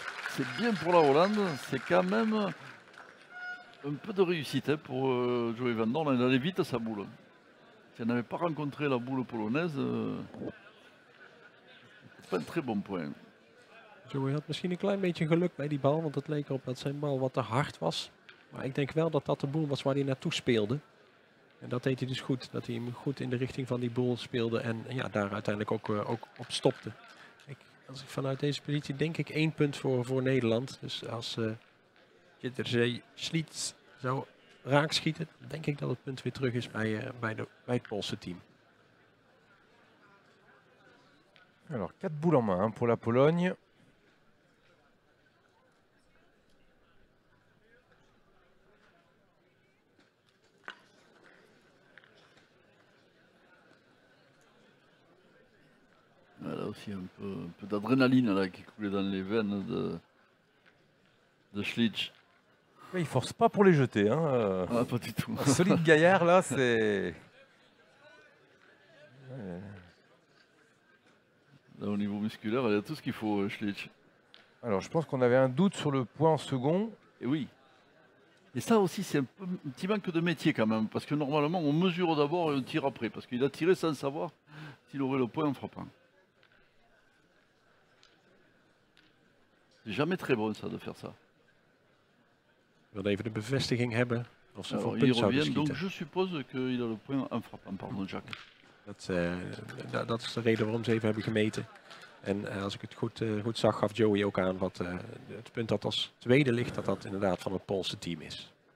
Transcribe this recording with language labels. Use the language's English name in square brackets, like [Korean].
[French] C'est bien pour la Hollande, c'est quand même un peu de réussite hein, pour Joey Van Dorn. Il allait vite à sa boule. Si elle n'avait pas rencontré la boule polonaise, c'est pas un très bon point. [Dutch] Joey had misschien een klein beetje geluk bij die bal, want het leek erop dat zijn bal wat te hard was. Maar ik denk wel dat dat de boel was waar hij naartoe speelde. En dat deed hij dus goed, dat hij hem goed in de richting van die boel speelde en ja, daar uiteindelijk ook op stopte. Als ik vanuit deze positie denk ik één punt voor Nederland. Dus als Jitterzee Schlitz zou raakschieten, denk ik dat het punt weer terug is bij het Poolse team. [French] Alors, 4 boules en main hein, pour la Pologne. Là aussi un peu d'adrénaline là, qui coulait dans les veines de Schlitz. Il ne force pas pour les jeter. Hein. Ah, pas du tout. Un solide gaillard là, c'est. Là, au niveau musculaire, il y a tout ce qu'il faut, Schlitz. Alors je pense qu'on avait un doute sur le point en second. Et oui. Et ça aussi, c'est un petit manque de métier quand même. Parce que normalement, on mesure d'abord et on tire après. Parce qu'il a tiré sans savoir s'il aurait le point en frappant. C'est jamais très bon ça de faire ça. Il va [Dutch] even de bevestiging hebben. Of ze [French] alors, il revient, donc je suppose qu'il a le point en frappant, pardon Jack. [Dutch] Dat is de reden waarom ze even hebben gemeten. En als ik het goed zag, gaf Joey ook aan wat het punt dat als tweede ligt, dat inderdaad van het Poolse team is.